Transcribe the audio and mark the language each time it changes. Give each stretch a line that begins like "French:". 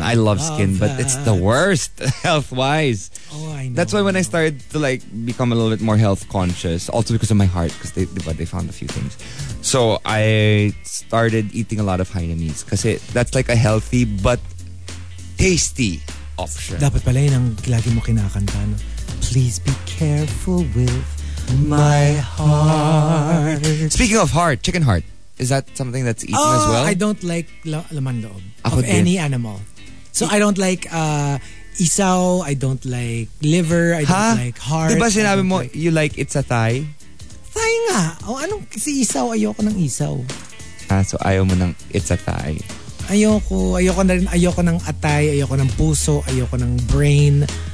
English: I love skin, but it's the worst health-wise. Oh, I know. That's why when I started to like become a little bit more health conscious, also because of my heart, because they found a few things. So I started eating a lot of Hainanese because that's like a healthy but tasty option.
Filipino: Dapat pala yun ang lagi mo kinakanta, no?
English: Please be careful with my heart. Speaking of heart, chicken heart. Is that something that's eaten as well? I don't like laman loob of any animal. So I don't like... isaw, I don't like liver, I don't like heart.
Filipino: Diba sinabi mo,
English: you like it
Filipino: sa thigh? Thigh nga. O anong, si isaw, ayoko ng isaw. Ah, so ayaw mo ng
English: it's a thigh.
Filipino: Ayoko na rin, ayoko ng atay, ayoko ng puso, ayoko ng brain.